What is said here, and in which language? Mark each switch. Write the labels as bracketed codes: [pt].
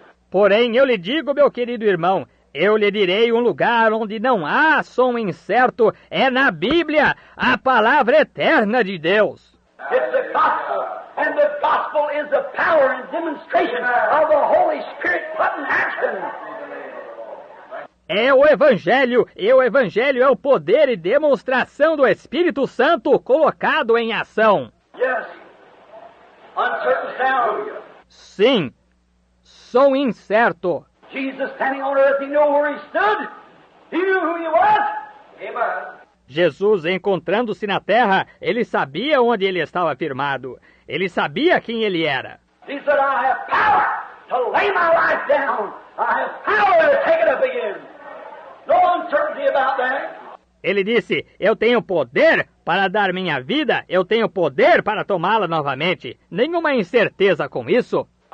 [pt] Porém, eu lhe digo, meu querido irmão, eu lhe direi um lugar onde não há som incerto, é na Bíblia, a palavra eterna de Deus. [en] It's the gospel, and the gospel is the power and demonstration of the Holy Spirit put in action. [pt] É o Evangelho, e o Evangelho é o poder e demonstração do Espírito Santo colocado em ação. [en] Yes. Uncertain sound. [pt] Sim, som incerto. [en] Jesus standing on earth, he knew where he stood. He knew who he was. Amen. [pt] Jesus encontrando-se na terra, ele sabia onde ele estava firmado. Ele sabia quem ele era. [en] He said, I have power to lay my life down. I have power to take it up again. No uncertainty about that. [pt] Ele disse, eu tenho poder para dar minha vida, eu tenho poder para tomá-la novamente. Nenhuma incerteza com isso.